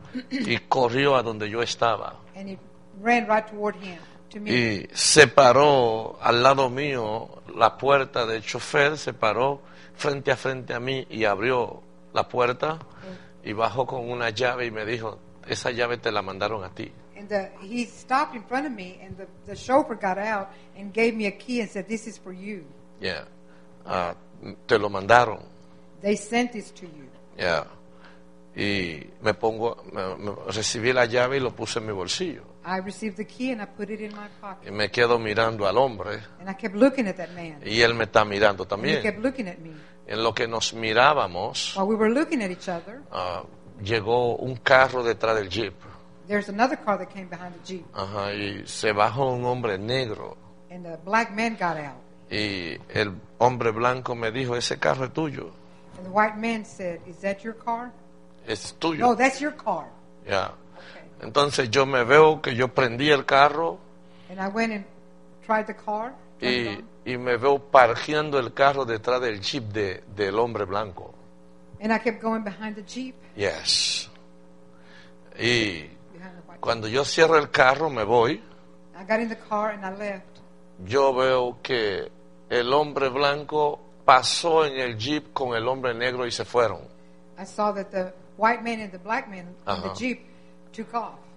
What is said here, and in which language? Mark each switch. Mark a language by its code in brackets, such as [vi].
[es] Y corrió a donde yo estaba. [en] And he ran right toward him, to me. [es] Y separó al lado mío la puerta del chofer, separó frente a frente a mí y abrió la puerta. Y bajó con una llave y me dijo, esa llave te la mandaron a ti. [en] And he stopped in front of me, and the chauffeur got out and gave me a key and said, this is for you. Yeah. [es] Te lo mandaron. [en] They sent this to you. Yeah. [es] Y me pongo, recibí la llave y lo puse en mi bolsillo. [en] I received the key and I put it in my pocket. [es] Y me quedo mirando al hombre. [en] And I kept looking at that man. [es] Y él me está mirando también. [en] And he kept looking at me. [es] En lo que nos mirábamos, [en] while we were looking at each other, [es] llegó un carro detrás del jeep. [en] There's another car that came behind the jeep. [es] Y se bajó un hombre negro. [en] And a black man got out. [es] Y el hombre blanco me dijo, ese carro es tuyo. [en] And the white man said, is that your car? [es] Es tuyo. [en] No, that's your car. Yeah. Okay. [es] Entonces yo me veo que yo prendí el carro. [en] And I went and tried the car. [es] Y me veo parqueando el carro detrás del jeep del hombre blanco. [en] And I kept going behind the jeep. Yes. [es] Y cuando yo cierro el carro, me voy. [en] I got in the car and I left. [es] Yo veo que el hombre blanco pasó en el jeep con el hombre negro y se fueron. [en] I saw that the white man and the black man in the jeep took off.